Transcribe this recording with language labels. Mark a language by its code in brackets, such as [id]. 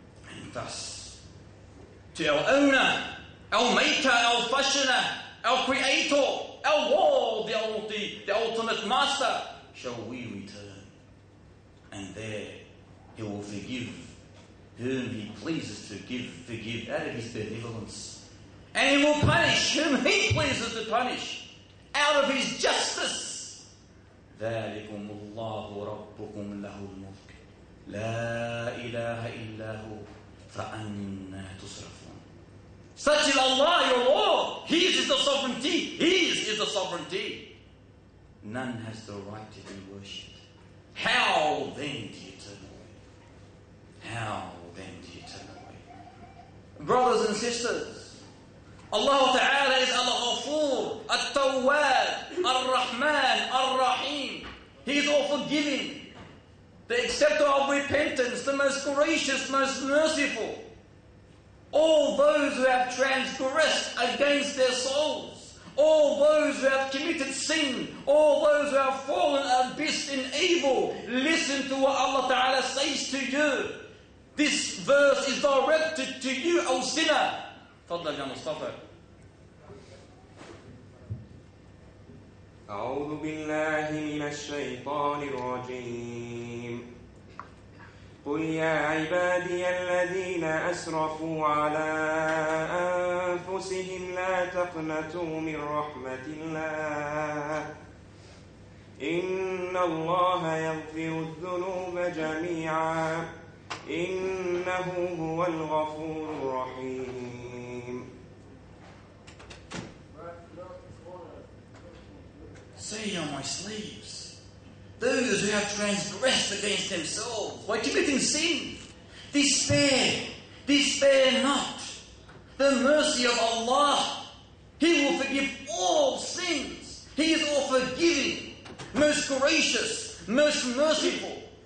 [en] And thus, to our owner, our maker, our fashioner, our creator, our world, the ultimate master, shall we return. And there He will forgive whom He pleases to forgive out of His benevolence. And He will punish whom He pleases to punish out of His justice. [ar] ذلكم الله ربكم له الملك لا إله إلا هو فأنى تصرفون. [en] Such is Allah, your Lord. His is the sovereignty. His is the sovereignty. None has the right to be worshipped. How then do you turn away? How then do you turn away? Brothers and sisters, Allah Ta'ala is Al-Ghafoor, Al-Tawwab, Al-Rahman, Al-Rahim. He is all forgiving. the acceptor of repentance, the most gracious, most merciful. All those who have transgressed against their souls, all those who have committed sin, all those who have fallen abyss in evil, listen to what Allah Ta'ala says to you. This verse is directed to you, O sinner. [ar] Fadlan ya Mustafa. أعوذ بالله من الشيطان الرجيم قل يا عبادي الذين أسرفوا على أنفسهم لا تقنطوا من رحمة الله إن الله يغفر الذنوب جميعا إنه هو الغفور الرحيم. [en] Say, O my slaves, those who have transgressed against themselves by committing sin, despair not the mercy of Allah. He will forgive all sins. He is all forgiving, most gracious, most merciful.